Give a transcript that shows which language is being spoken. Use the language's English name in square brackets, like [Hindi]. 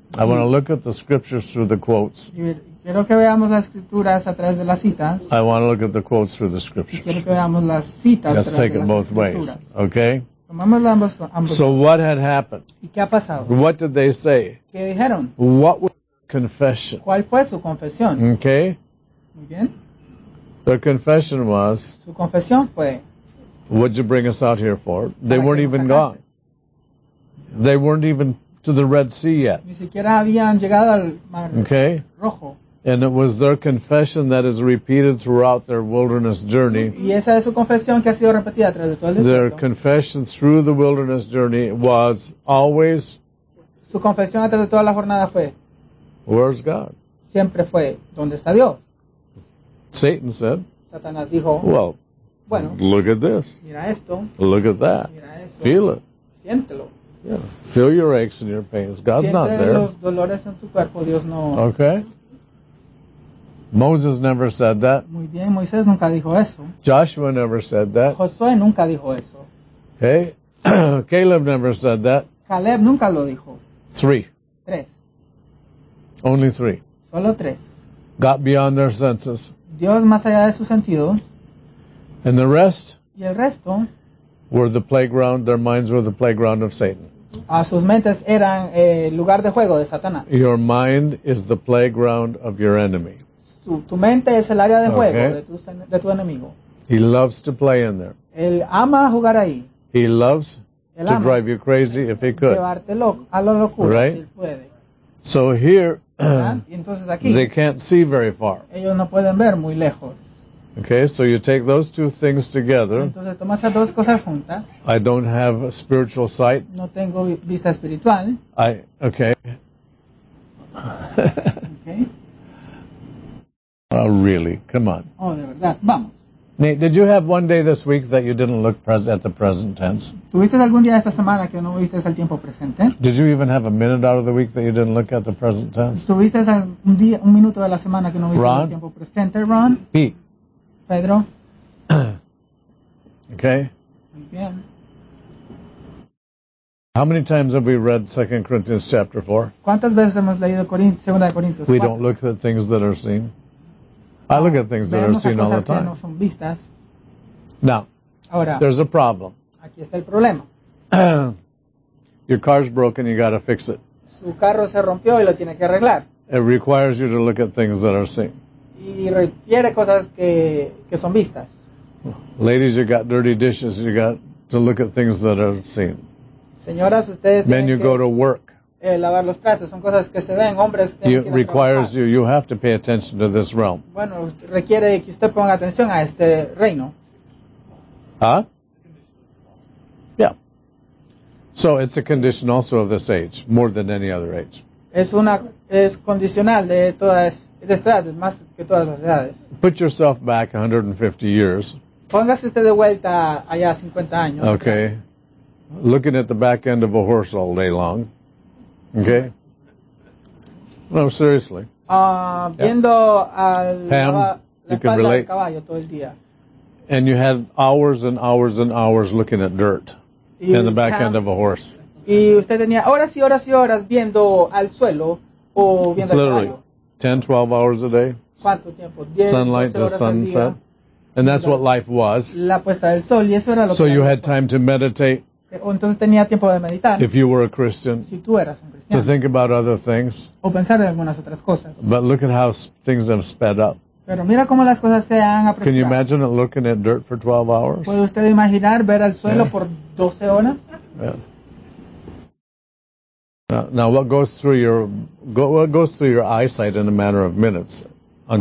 [English] I want to look at the scriptures through the quotes. [Spanish] Quiero que veamos las escrituras a través de las citas. [English] I want to look at the quotes through the scriptures. [Spanish] Quiero que veamos las citas. [English] Let's take it both ways. Okay? [Spanish] Tomamos ambos, ambos. [English] So what had happened? [Spanish] ¿Y qué ha pasado? [English] What did they say? [Spanish] ¿Qué dijeron? [English] What was their confession? [Spanish] ¿Cuál fue su confesión? [English] Okay? [Spanish] Muy bien. [English] Their confession was, [Spanish] su confesión fue, [English] what'd you bring us out here for? They weren't even gone. They weren't even to the Red Sea yet. [Spanish] Ni siquiera habían llegado al Mar Rojo. [English] And it was their confession that is repeated throughout their wilderness journey. [Spanish] Y esa es su confesión que ha sido repetida a través de todo el desierto. [English] Their confession through the wilderness journey was always, [Spanish] su confesión a través de toda la jornada fue, [English] where's God? [Spanish] Siempre fue, ¿dónde está Dios? [English] Satan said, [Spanish] Satanás dijo, [English] well, [Spanish] bueno, [English] look at this. [Spanish] Mira esto. [English] Look at that. [Spanish] Mira eso. [English] Feel it. [Spanish] Siéntelo. [English] Yeah, feel your aches and your pains. God's [Spanish] siente [English] not there. [Spanish] Los dolores en tu cuerpo, Dios no. [English] Okay. Moses never said that. [Spanish] Muy bien, Moisés nunca dijo eso. [English] Joshua never said that. [Spanish] Josué nunca dijo eso. [English] Okay. Caleb never said that. [Spanish] Caleb nunca lo dijo. [English] Three. [Spanish] Tres. [English] Only three. [Spanish] Solo tres. [English] Got beyond their senses. [Spanish] Dios más allá de sus sentidos. [English] And the rest. [Spanish] Y el resto. [English] Were the playground, their minds were the playground of Satan. [Spanish] A sus mentes eran lugar de juego de Satanás. [English] Your mind is the playground of your enemy. [Spanish] Tu mente es el área de juego de tu enemigo. [English] He loves to play in there. [Spanish] Él ama jugar ahí. [English] He loves to drive you crazy if he could. [Spanish] Llevarte a la locura, [English] right? [Spanish] Si él puede. [English] So here, [Spanish] entonces aquí, [English] they can't see very far. [Spanish] Ellos no pueden ver muy lejos. [English] Okay, so you take those two things together. [Spanish] Entonces, tomas esas dos cosas juntas. [English] I don't have a spiritual sight. [Spanish] No tengo vista espiritual. [English] Okay. Oh, really? Come on. [Spanish] Oh, de verdad. Vamos. [English] Nate, did you have one day this week that you didn't look at the present tense? [Spanish] ¿Tuviste algún día esta semana que no viste el tiempo presente? [English] Did you even have a minute out of the week that you didn't look at the present tense? [Spanish] ¿Tuviste algún día, un minuto de la semana que no viste [English] Ron? [Spanish] El tiempo presente, Ron? [English] Pete. [Spanish] Pedro. [English] Okay. [Spanish] Bien. [English] How many times have we read 2 Corinthians chapter 4? [Spanish] ¿Cuántas veces hemos leído Segunda de Corintios 4? [English] We don't look at things that are seen. I look at things that are seen all the time. [Spanish] No son vistas. [English] Now, [Spanish] ahora, [English] there's a problem. [Spanish] Aquí está el problema. [English] Your car's broken, you got to fix it. [Spanish] Su carro se rompió y lo tiene que arreglar. [English] It requires you to look at things that are seen. [Spanish] Y requiere cosas que son vistas. [English] Ladies, you got dirty dishes. You got to look at things that are seen. [Spanish] Señoras, ustedes. [English] Men, you [Spanish] que, [English] go to work. [Spanish] Lavar los trastes son cosas que se ven. Hombres. [English] It requires you. You have to pay attention to this realm. [Spanish] Bueno, requiere que usted ponga atención a este reino. [English] Huh? Yeah. So it's a condition also of this age, more than any other age. [Spanish] Es condicional de toda de esta edad, más que todas las edades. [English] Put yourself back 150 years. [Spanish] Póngase usted de vuelta allá 50 años. [English] Okay. ¿Sí? Looking at the back end of a horse all day long. Okay. No, seriously. [Spanish] Viendo al Pam, la espalda del caballo todo el día. [English] And you had hours and hours and hours looking at dirt in the back end of a horse. [Spanish] Y usted tenía horas y horas y horas viendo al suelo o viendo [English] literally, [Spanish] al caballo. [English] 10, 12 hours a day. [Spanish] ¿Cuánto tiempo? 10, [English] sunlight to sunset. And that's what life was. [Spanish] La puesta del sol, y eso era lo [English] so [Spanish] que [English] you had time to meditate. [Spanish] Entonces tenía tiempo de meditar. [English] If you were a Christian. [Spanish] Si tú eras un cristiano. [English] To think about other things. [Spanish] O pensar en algunas otras cosas. [English] But look at how things have sped up. [Spanish] Pero mira cómo las cosas se han apresurado. [English] Can you imagine looking at dirt for 12 hours? [Spanish] ¿Puede usted imaginar ver al suelo por 12 horas? [English] Now, what goes through your eyesight in a matter of minutes on